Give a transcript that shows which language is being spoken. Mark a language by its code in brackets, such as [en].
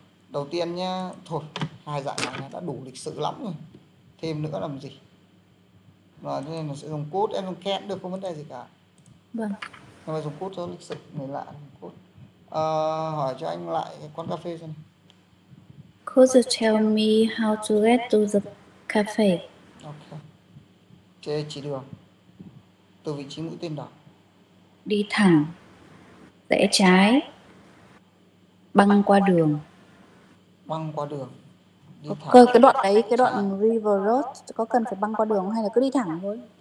[vi] Đầu tiên nhá, thôi hai dạng này đã đủ lịch sự lắm rồi, thêm nữa làm gì. Rồi cho nên là sẽ dùng code, em dùng can được, không vấn đề gì cả. Vâng. Nhưng mà dùng code cho lịch sự người lạ, code. À, hỏi cho anh lại cái quán cà phê xem. [en] Could you tell me how to get to the cafe? [vi] Ok. Chỉ đường. Từ vị trí mũi tên đỏ. Đi thẳng, rẽ trái, băng qua đường. Băng qua đường, đi Cơ, thẳng. cái đoạn đấy, cái đoạn River Road có cần phải băng qua đường hay là cứ đi thẳng thôi?